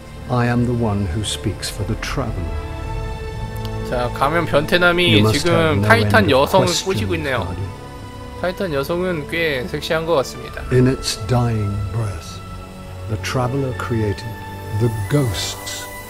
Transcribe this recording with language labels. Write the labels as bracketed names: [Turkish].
[English] I am the one who speaks for the traveler. [Korean] 자, 가면 변태남이 지금 타이탄 여성을 꼬시고 있네요. 타이탄 여성은 꽤 섹시한 것 같습니다. [English] In its dying breath, the traveler created the ghosts.